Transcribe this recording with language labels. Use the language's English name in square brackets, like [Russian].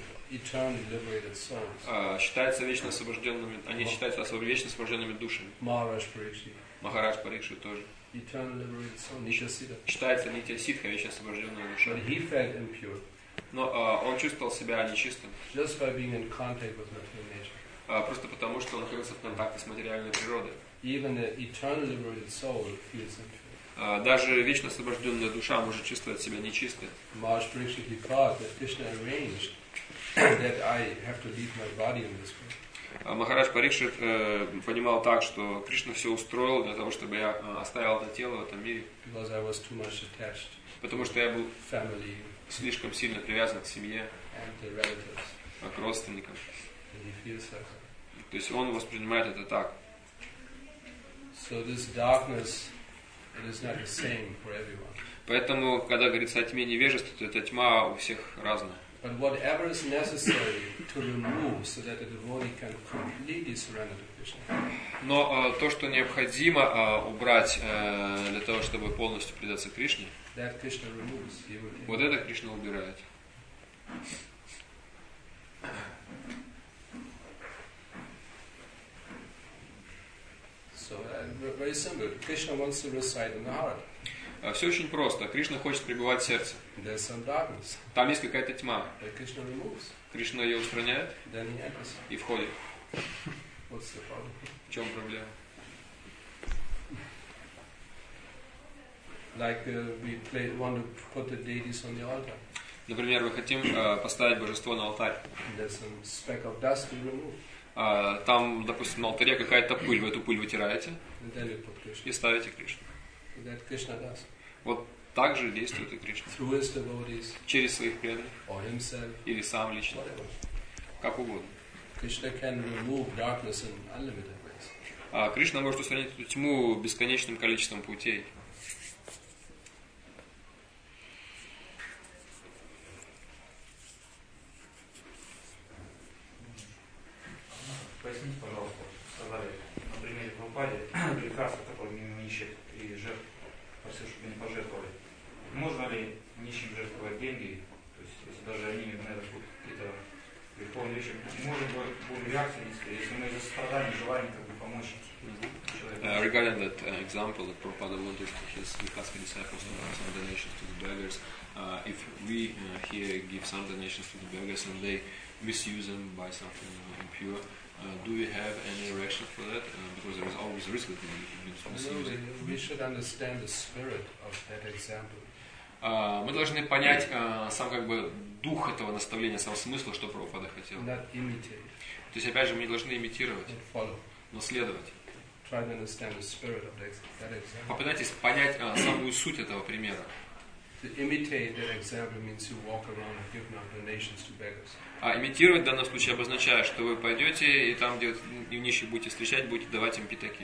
[English] Eternally liberated souls. [Russian] Считаются вечно освобожденными. Они считаются вечно освобожденными душами. [English] Maharaj Parikshit. [Russian] Махарадж Парикшит тоже. [English] Eternally liberated souls. Нитья Сидха. [Russian] Считается Нитья Сидха вечно освобожденная душа. [English] But he felt impure. [Russian] Но он чувствовал себя нечистым. [English] Just by being in contact with material nature. [Russian] Просто потому, что он находится в контакте с материальной природой. [English] Even the eternal liberated soul feels impure. [Russian] Даже вечно освобожденная душа может чувствовать себя нечистой. [English] Maharaj Parikshit thought that Krishna arranged that I have to leave my body in this way. [Russian] Махарадж Парикшит понимал так, что Кришна все устроил для того, чтобы я оставил это тело в этом мире. [English] Because I was too much attached. [Russian] Потому что я был слишком сильно привязан к семье, [English] and the relatives. [Russian] К родственникам. [English] And he feels like that. [Russian] То есть он воспринимает это так. [English] So this darkness, it is not the same for everyone. [Russian] Поэтому, когда говорится о тьме невежества, то эта тьма у всех разная. [English] But whatever is necessary to remove so that the devotee can completely surrender to Krishna. [Russian] Но то, что необходимо убрать для того, чтобы полностью предаться Кришне, [English] that Krishna removes, he will [Russian] вот это Кришна убирает. [English] Very simple. Krishna wants to reside in the heart. [Russian] Все очень просто. Кришна хочет пребывать в сердце. [English] There's some darkness. [Russian] Там есть какая-то тьма. [English] Krishna removes. [Russian] Кришна ее устраняет. [English] Then he enters. [Russian] И входит. [English] What's the problem? [Russian] В чем проблема? [English] Like want to put the deities on the altar. [Russian] Например, мы хотим поставить божество на алтарь. [English] There's some speck of dust to remove. [Russian] Там, допустим, на алтаре какая-то пыль, вы эту пыль вытираете и ставите Кришну. Вот так же действует и Кришна. Через своих преданных или сам лично. Как угодно. Кришна может устранить эту тьму бесконечным количеством путей. Поясните, пожалуйста, сказали на примере Прабхупады, лекарство, которое мимо ищет, и жертв, просил, чтобы не пожертвовали. Можно ли такие. То есть если даже они именно будут какие-то духовные вещи, может быть, будет реакция низкая, если мы из-за страдания, желания как бы помочь человеку. [English] Regarding that example that Prabhupada wanted to his disciples to give some donations to the beggars, if we here give some donations to the beggars and they misuse them by something impure, do we have any reaction for that? Because there is always a risk that we misuse it. We should understand the spirit of that example. [Russian] Мы должны понять сам как бы дух этого наставления, сам смысл, что Прабхупада хотел. [English] Not imitate. [Russian] То есть опять же мы не должны имитировать, [English] but follow. [Russian] Но следовать. [English] Try to understand the spirit of that example. [Russian] Попытайтесь понять самую суть этого примера. [English] To imitate that example means you walk around and give donations to beggars. [Russian] А имитировать в данном случае обозначает, что вы пойдете и там, где и нищих будете встречать, будете давать им пятаки.